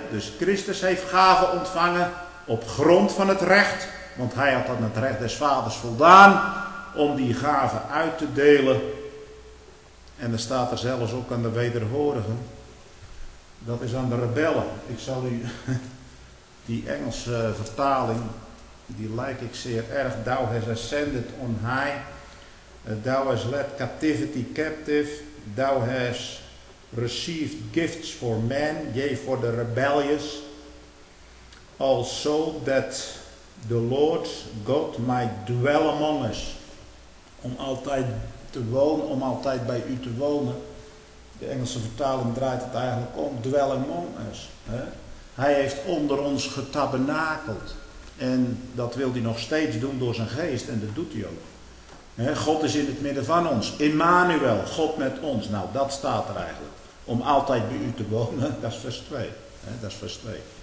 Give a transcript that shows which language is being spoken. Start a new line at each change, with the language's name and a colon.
Dutch: Dus Christus heeft gaven ontvangen op grond van het recht, want hij had aan het recht des Vaders voldaan, om die gaven uit te delen. En er staat er zelfs ook aan de wederhorigen, dat is aan de rebellen. Ik zal u die Engelse vertaling, die lijk ik zeer erg.
English: Thou has ascended on high, thou has led captivity captive, thou has received gifts for men, yea for the rebellious, also that the Lord God might dwell among us,
Dutch: om altijd te wonen,
English: om altijd bij u te wonen.
Dutch: De Engelse vertaling draait het eigenlijk om,
English: dwell among us.
Dutch: Hè? Hij heeft onder ons getabernakeld. En dat wil hij nog steeds doen door zijn geest. En dat doet hij ook. God is in het midden van ons. Immanuel, God met ons. Nou, dat staat er eigenlijk. Om altijd bij u te wonen. Dat is vers 2. Dat is vers 2.